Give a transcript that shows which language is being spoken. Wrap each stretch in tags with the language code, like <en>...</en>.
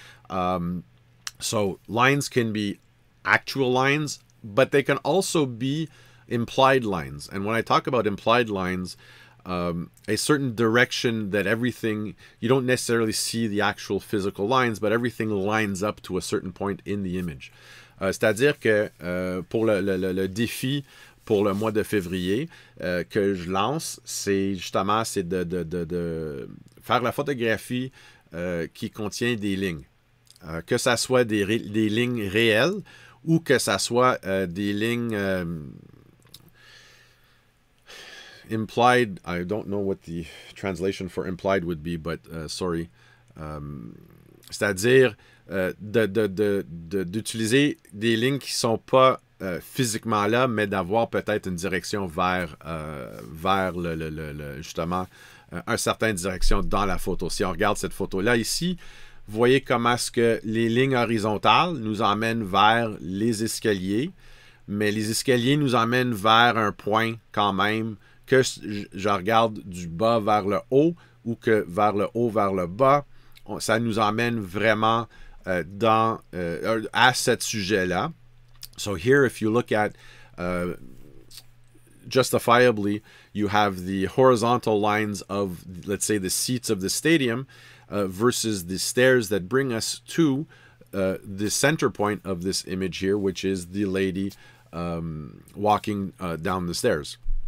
<en>So lines can be actual lines, but they can also be implied lines. And when I talk about implied lines, a certain direction that everything, you don't necessarily see the actual physical lines, but everything lines up to a certain point in the image.</en> <fr>C'est-à-dire que pour le défi pour le mois de février que je lance, c'est de faire la photographie qui contient des lignes. Que ça soit des lignes réelles ou que ça soit des lignes implied.</fr> <en>I don't know what the translation for implied would be, but sorry.</en> <fr>C'est-à-dire d'utiliser des lignes qui sont pas physiquement là, mais d'avoir peut-être une direction vers le justement une certaine direction dans la photo. Si on regarde cette photo-là ici, vous voyez comment est-ce que les lignes horizontales nous emmènent vers les escaliers, mais les escaliers nous emmènent vers un point quand même, que je regarde du bas vers le haut ou que vers le haut vers le bas, ça nous emmène vraiment dans à cet sujet-là.</fr> <en>So here, if you look at, justifiably, you have the horizontal lines of, let's say, the seats of the stadium, versus the stairs that bring us to the center point of this image here, which is the lady walking down the stairs.</en>